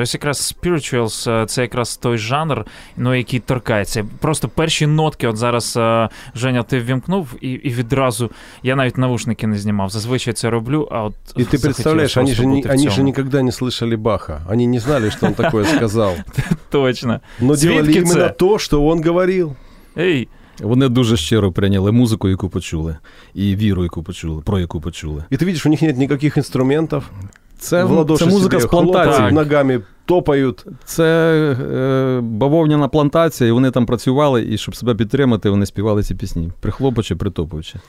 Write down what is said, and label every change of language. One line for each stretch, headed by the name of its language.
Ukrainian: Ось якраз spirituals – це якраз той жанр, ну, який торкається. Просто перші нотки, от зараз, Женя, ти ввімкнув, і відразу, я навіть навушники не знімав. Зазвичай це роблю, а от захотілося бути. І ти представляєш, вони ж ніколи
Russian: не слышали
Ukrainian: Баха. Вони не знали, що він таке сказав. Точно.
Russian: Но делали именно то, что он говорил. Ей!
Ukrainian: Вони дуже щиро прийняли музику, яку почули, і віру, яку почули, про яку почули. І ти бачиш, у них немає ніяких інструментів. Це музика з плантації. Ногами топають. Це бавовняна плантація, і вони там працювали, і щоб себе підтримати, вони співали ці пісні, прихлопуючи, притопуючи.